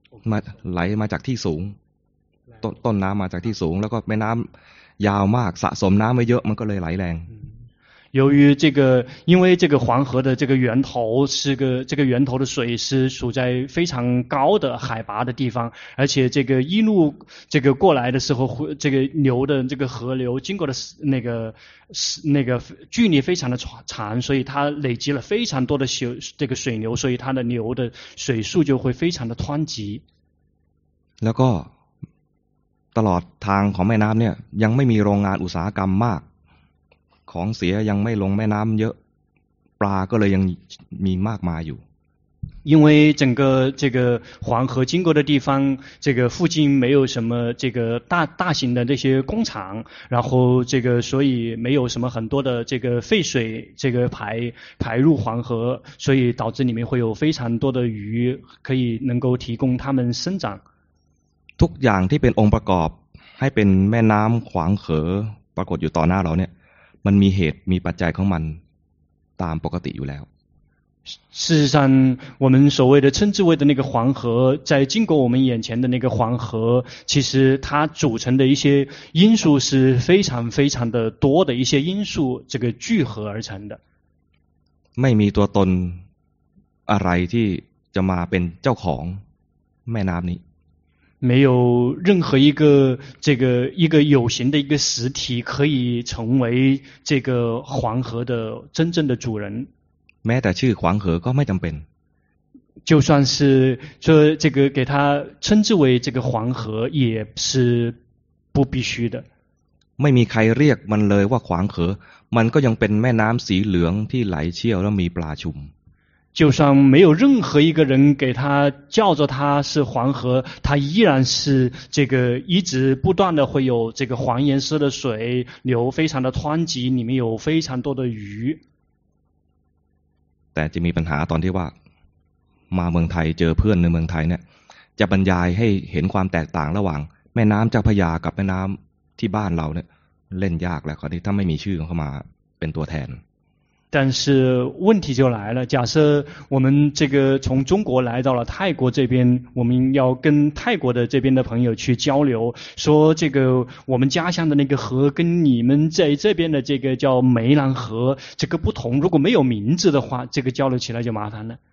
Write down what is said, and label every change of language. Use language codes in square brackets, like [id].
[th] มาไหลมาจากที่สูงต้นน้ำมาจากที่สูงแล้วก็แม่น้ำยาวมากสะสมน้ำไว้เยอะมันก็เลยไหลแรง [zh] 由于这个因为这个黄河的这个源头是个这个源头的水是处在非常高的海拔的地方而且这个一路这个过来的时候这个流的这个河流经过的那个距离非常的长所以它累积了非常多的这个水流所以它的流的水速就会非常的湍急 [th] แล้วก็ตลอดทางของแม่น้ำเนี่ยยังไม่มีโรงงานอุตสาหกรรมมากของเสียยังไม่ลงแม่น้ำเยอะปลาก็เลยยังมีมากมายอยู่ [zh] 因为整个这个黄河经过的地方这个附近没有什么这个大型的那些工厂然后这个所以没有什么很多的这个废水这个排入黄河所以导致里面会有非常多的鱼可以能够提供它们生长 [th] ทุกอย่างที่เป็นองค์ประกอบให้เป็นแม่น้ำขวางเขอปรากฏอยู่ต่อหน้าเราเนี่ยมันมีเหตุมีปัจจัยของมันตามปกติอยู่แล้ว [zh] 事实上我们所谓的称之为的那个黄河在经过我们眼前的那个黄河其实它组成的一些因素是非常非常的多的一些因素这个聚合而成的 [th] ไม่มีตัวตนอะไรที่จะมาเป็นเจ้าของแม่น้ำนี้ [zh] 没有任何一个这个一个有形的一个实体可以成为这个黄河的真正的主人。 [th] แม้แต่ชื่อขวางเหอก็ไม่จำเป็น。 [zh] 就算是说这个给他称之为这个黄河也是不必须的。 [th] ไม่มีใครเรียกมันเลยว่าขวางเหอมันก็ยังเป็นแม่น้ำสีเหลืองที่ไหลเชี่ยวและมีปลาชุม。 [zh] 就算没有任何一个人给他叫着他是黄河他依然是这个一直不断的会有这个黄颜色的水流非常的湍急里面有非常多的鱼 [th] แต่จะมีปัญหาตอนที่ว่ามาเมืองไทยเจอเพื่อนในเมืองไทยเนี่ยจะบรรยายให้เห็นความแตกต่างระหว่างแม่น้ำเจ้าพยากับแม่น้ำที่บ้านเราเนี่ยเล่นยากแล้วคราวนี้ถ้าไม่มีชื่อเข้ามาเป็นตัวแทน [zh] 但是问题就来了假设我们这个从中国来到了泰国这边我们要跟泰国的这边的朋友去交流说这个我们家乡的那个河跟你们在这边的这个叫梅兰河这个不同如果没有名字的话这个交流起来就麻烦了